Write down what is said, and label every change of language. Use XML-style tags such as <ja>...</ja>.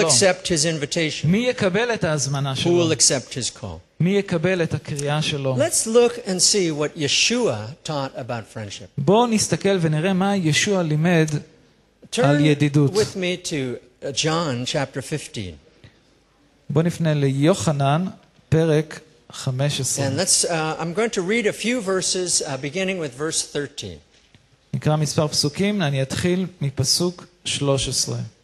<en>Who will accept his invitation?</en> <he>מי יקבל את ההזמנה שלו?</he> <en>Who will accept his call?</en> <he>מי יקבל את הקריאה שלו?</he> <en>Let's look and see what Yeshua taught about friendship.</en> <he>בואו נסתכל ונראה מה ישוע לימד על ידידות.</he> <en>Turn with me to John chapter 15.</en> <he>בואו נפנה ליוחנן פרק 15.</he> <en>And let's I'm going to read a few verses beginning with verse 13.</en> <he>נקרא מספר פסוקים, אני אתחיל מפסוק 13.</he>